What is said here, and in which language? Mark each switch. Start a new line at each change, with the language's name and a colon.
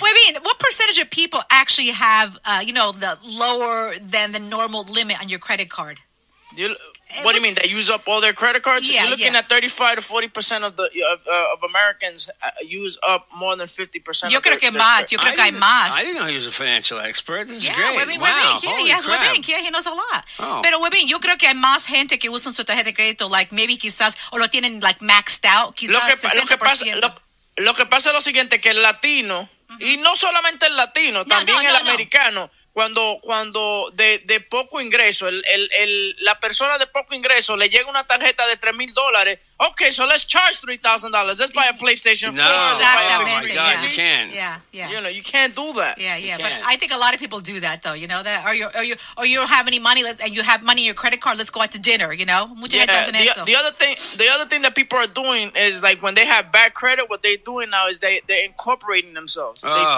English: But, I mean, what percentage of people actually have, you know, the lower than the normal limit on your credit card? What do you mean? They use up all their credit cards? Yeah, you're looking yeah. at 35 to 40% of Americans use up more than 50%.
Spanish: Yo creo que más. Yo creo que hay más.
English: I didn't know he was a financial expert. This is yeah, great. Yeah, he knows a lot.
Spanish: Pero Webin, yo creo que hay más gente que usan su tarjeta de crédito,
English: like maybe
Spanish: quizás o lo tienen
English: like maxed out.
Spanish: Quizás 60%. Lo que pasa es lo siguiente, que el latino, uh-huh. y no solamente el latino, también el americano, cuando de poco ingreso, la persona de poco ingreso le llega una tarjeta de $3,000,
English: okay, so let's charge $3,000. Let's buy a PlayStation 4. No, exactly. Oh my God, yeah. You can't. Yeah, yeah. You know, you can't do that. Yeah, yeah. But I think a lot of people do that, though. You know that, or you don't have any money, and you have money in your credit card. Let's go out to dinner. You know,
Spanish: mucha gente hace eso.
English: The other thing that people are doing is like when they have bad credit, what they're doing now is they're incorporating themselves. Oh.